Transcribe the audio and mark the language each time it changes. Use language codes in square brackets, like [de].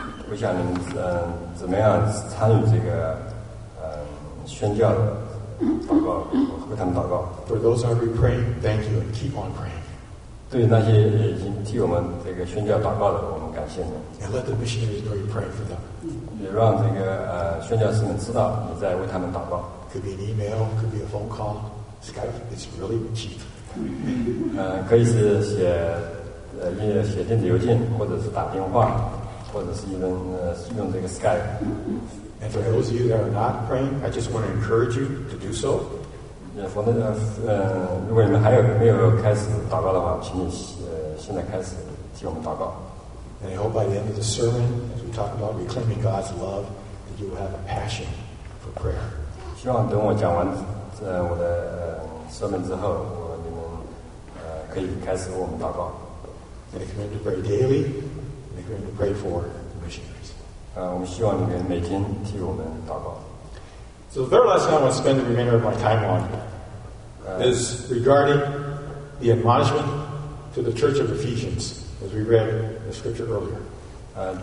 [zh] 我想您怎么样参与这个宣教的祷告，为他们祷告。 [en] For those who are praying, thank you and keep on praying. [zh] 对那些已经替我们这个宣教祷告的，我们感谢你。 [en] And let the missionaries know you pray for them. [zh] 也让这个宣教士们知道你在为他们祷告。 [en] Could be an email, could be a phone call, Skype. It's really cheap. [zh] 可以是写写电子邮件，或者是打电话，或者是用这个 Skype。 [en] And for those of you that are not praying, I just want to encourage you to do so. Yeah, for those, [zh] 如果你们还有没有开始祷告的话，请你现在开始替我们祷告。 [en] And I hope by the end of the sermon, as we talk about reclaiming God's love, that you will have a passion for prayer. [zh] 希望等我讲完我的sermon之后，你们可以开始为我们祷告。 [en] And if you're going to pray daily, and if you're going to pray for the missionaries. [zh] 我们希望你们每天替我们祷告。 [en] So the third lesson I want to spend the remainder of my time on is regarding the admonishment to the Church of Ephesians, as we read the scripture earlier.